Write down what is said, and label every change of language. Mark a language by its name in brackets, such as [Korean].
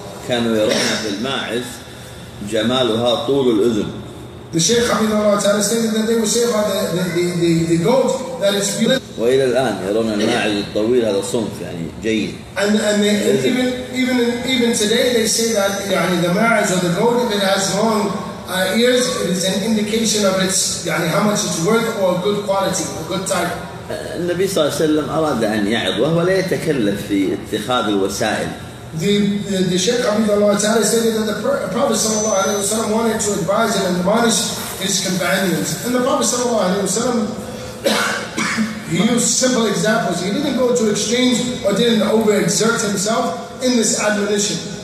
[Arabic] كانوا يرون في الماعز جمالها طول الأذن. [English] The Shaykh [Arabic] رحمه الله تعالى [English] said that they would say about the goat that is beautiful. [Arabic] وإلى الآن يرون الماعز الطويل هذا صنف يعني جيد. [English] And even today they say that [Arabic] يعني [English] the ma'az or the goat, if it has long ears, it is an indication of its يعني how much it's worth or good quality or good type. [Arabic] النبي صلى الله عليه وسلم أراد أن يعظ وهو لا يتكلف في اتخاذ الوسائل. [English] The Shaykh Abdullah Ta'ala stated that the Prophet sallallahu alaihi wasallam wanted to advise and admonish his companions, and the Prophet sallallahu alaihi wasallam he used simple examples. He didn't go to exchange or didn't overexert himself in this admonition.